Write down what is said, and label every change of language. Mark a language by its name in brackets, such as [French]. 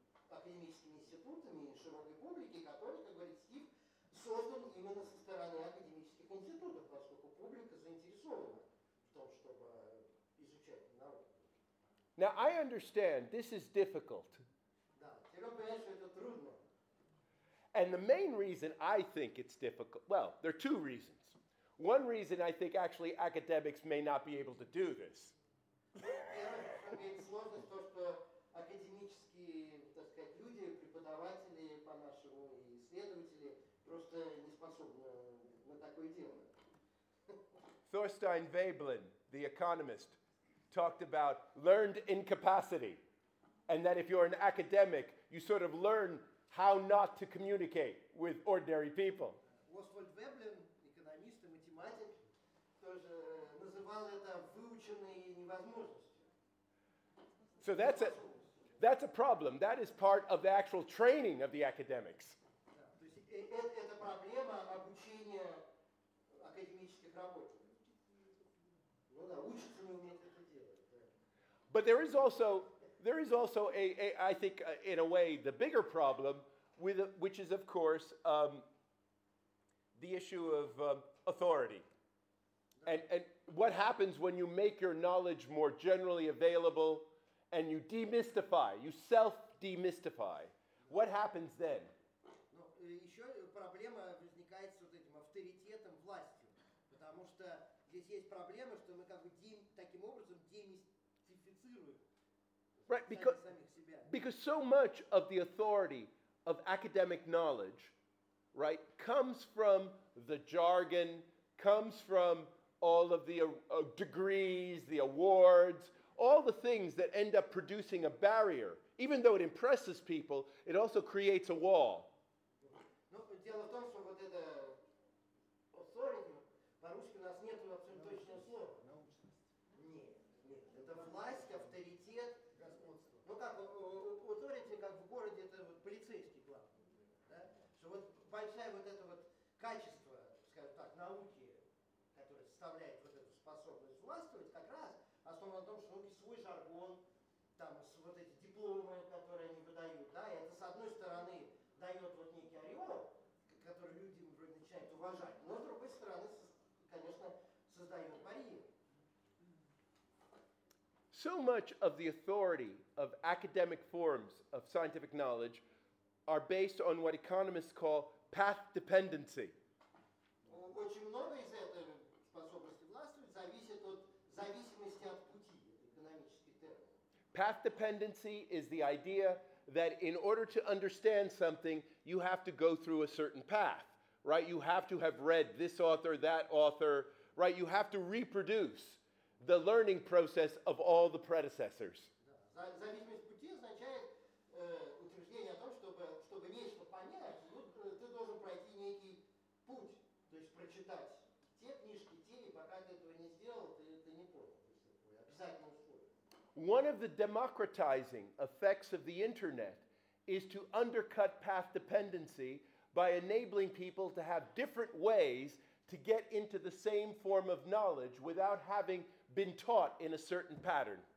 [Russian] Академическими институтами и широкой публики, который, как говорит Стив, создан именно со стороны академических институтов, поскольку публика заинтересована в том, чтобы изучать науку. [English] Now, I understand this is difficult. [Russian] Да, теперь я понимаю, что это трудно. [English] And the main reason I think it's difficult, well, there are two reasons. One reason I think actually academics may not be able to do this. [Russian] Исследователи просто не способна на такое дело. [English] Thorstein Veblen, the economist, talked about learned incapacity, and that if you're an academic, you sort of learn how not to communicate with ordinary people. [Russian] Освальд Веблен, экономист и математик, тоже называл это выученной невозможностью. [English] So that's a problem. That is part of the actual training of the academics. [Russian] Это проблема обучения академических работников. Ну да, учатся не умеют это делать. [English] But there is also a I think in a way the bigger problem, which is of course the issue of authority, and what happens when you make your knowledge more generally available, and you demystify, you self demystify, what happens then? [Russian] Ну, еще проблема возникает с вот этим авторитетом, властью, потому что здесь есть проблема, что мы как бы таким образом демистифицируем. [English] Right, because so much of the authority of academic knowledge, right, comes from the jargon, comes from all of the degrees, the awards, all the things that end up producing a barrier. Even though it impresses people, it also creates a wall. [Russian] Ну, дело в том, что вот это authority, по-русски у нас нет абсолютно точного слова. Нет, это власть, авторитет. Ну как, authority, как в городе, это вот полицейский главный, да? Что вот большая вот это вот качество, скажем так, науки, которое составляет вот эту способность властвовать, как раз основано на том, что науки свой жаргон, там вот эти дипломы, которые они выдают, да, и это с одной стороны дает вот некий ореол, который люди вроде начинают уважать, но с другой стороны, конечно, создает барьер. [English] So much of the authority of academic forms of scientific knowledge are based on what economists call path dependency. [Russian] Очень много из этой способности властвовать зависит от зависимости от пути, экономический термин. [English] Path dependency is the idea that in order to understand something, you have to go through a certain path, right? You have to have read this author, that author, right? You have to reproduce the learning process of all the predecessors. [Russian] Зависимость пути означает утверждение о том, чтобы нечто понять, ты должен пройти некий путь, то есть прочитать те книжки, те, и пока ты этого не сделал, ты не понял. Обязательно условие. [English] One of the democratizing effects of the internet is to undercut path dependency by enabling people to have different ways to get into the same form of knowledge without having been taught in a certain pattern.